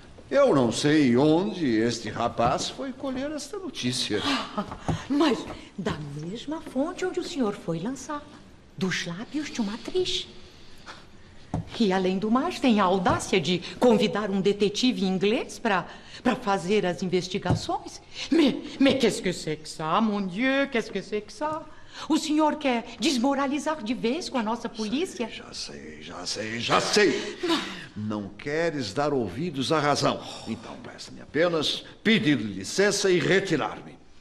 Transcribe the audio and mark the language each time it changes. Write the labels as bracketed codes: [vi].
[pt] Eu não sei onde este rapaz foi colher esta notícia. Mas da mesma fonte onde o senhor foi lançá-la. Dos lábios de uma atriz. E, além do mais, tem a audácia de convidar um detetive inglês para fazer as investigações. [fr] Mais qu'est-ce que c'est que ça, mon Dieu? Qu'est-ce que c'est que ça? [pt] O senhor quer desmoralizar de vez com a nossa polícia? Sei, já sei, já sei, já sei. Não queres dar ouvidos à razão. Então, peço-me apenas pedir licença e retirar-me.